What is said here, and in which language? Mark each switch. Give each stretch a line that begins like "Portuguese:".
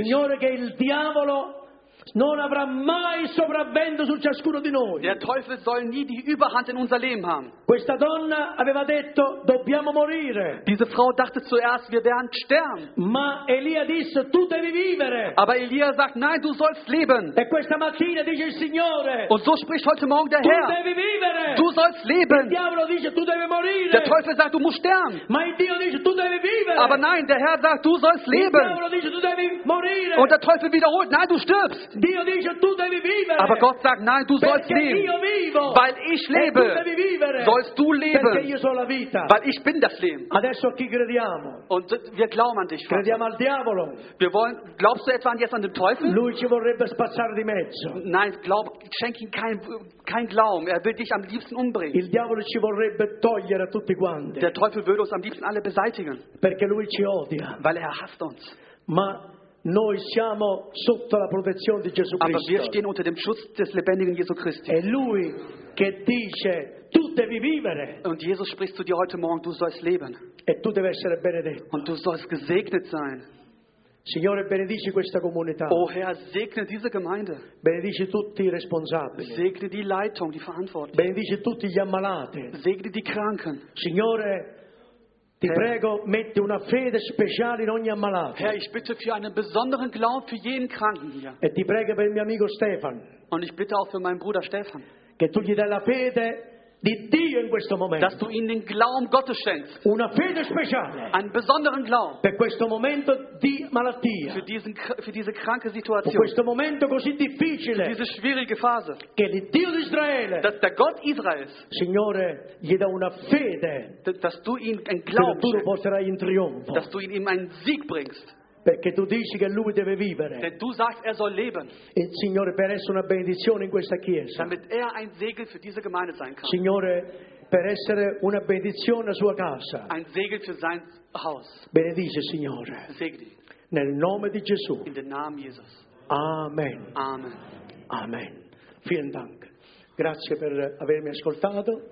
Italian: Signore, che il diavolo non avrà mai sovravvento su ciascuno di noi.
German: Der Teufel soll nie die Überhand in unser Leben haben.
Italian: Questa donna aveva detto dobbiamo morire.
German: Diese Frau dachte zuerst wir werden sterben.
Italian: Ma Elia disse tu devi vivere.
German: Aber Elia sagt nein du sollst leben.
Italian: E questa mattina dice il Signore.
German: Und so spricht heute morgen der Herr.
Italian: Tu devi vivere.
German: Du sollst leben.
Italian: Il diavolo dice tu devi morire.
German: Der Teufel sagt du musst sterben.
Italian: Ma il Dio dice tu devi vivere.
German: Aber nein der Herr sagt du sollst leben.
Italian: Il diavolo dice tu devi morire.
German: Und der Teufel wiederholt nein du stirbst.
Italian: Dio dice, tu devi vivere.
German: Aber Gott sagt, nein, du
Italian: perché
German: sollst leben.
Italian: Io vivo.
German: Weil ich lebe,
Italian: tu devi vivere.
German: Sollst du leben.
Italian: Perché io sono la vita.
German: Weil ich bin das Leben.
Italian: Adesso a chi crediamo?
German: Und wir glauben an dich, Vater.
Italian: Crediamo al diavolo.
German: Wir wollen, glaubst du etwa jetzt an den Teufel?
Italian: Lui ci vorrebbe spazzare di mezzo.
German: Nein, glaub, schenk ihm kein Glauben. Er will dich am liebsten umbringen.
Italian: Il diavolo ci vorrebbe togliere tutti quanti.
German: Der Teufel würde uns am liebsten alle beseitigen.
Italian: Perché lui ci odia.
German: Weil er hasst uns.
Italian: Ma noi siamo sotto la protezione di Gesù Cristo.
German: Aber wir stehen unter dem Schutz des lebendigen Jesu Christi.
Italian: È lui che dice tu devi vivere.
German: Und Jesus spricht zu dir heute morgen, du sollst leben.
Italian: E tu devi essere benedetto.
German: Und du sollst gesegnet sein.
Italian: Signore benedici questa comunità.
German: O Herr, segne diese Gemeinde.
Italian: Benedici tutti i responsabili.
German: Segne die Leitung, die Verantwortlichen.
Italian: Benedici tutti gli ammalati.
German: Segne die Kranken.
Italian: Signore ti prego, metti una fede speciale in ogni ammalato.
German: Herr, ich bitte für einen besonderen Glauben für jeden Kranken hier.
Italian: E ti prego per mio amico Stefan.
German: Und ich bitte auch für meinen Bruder Stefan.
Italian: Che tu gli dai la fede di Dio in questo momento.
German: Dass du ihm den Glauben Gottes schenkst.
Italian: Una fede speciale.
German: Einen besonderen Glauben.
Italian: Per questo momento di malattia.
German: Für diese kranke Situation.
Italian: Per questo momento così difficile.
German: Diese schwierige Phase.
Italian: Che il Dio di Israele.
German: Dass der Gott Israels.
Italian: Signore, gli dà una fede.
German: Dass du ihm einen Glauben schenkst.
Italian: Che tu lo porterai in trionfo.
German: Dass du ihm einen Sieg bringst.
Italian: Perché tu dici che lui deve vivere.
German: Denn du sagst, er soll leben.
Italian: E Signore, per essere una benedizione in questa chiesa.
German: Damit er ein Segen für diese Gemeinde sein kann.
Italian: Signore, per essere una benedizione alla sua casa.
German: Ein Segen für sein Haus.
Italian: Benedice, Signore.
German: Segni.
Italian: Nel nome di Gesù.
German: In den Namen Jesus.
Italian: Amen.
German: Amen. Amen. Vielen Dank.
Italian: Grazie per avermi ascoltato.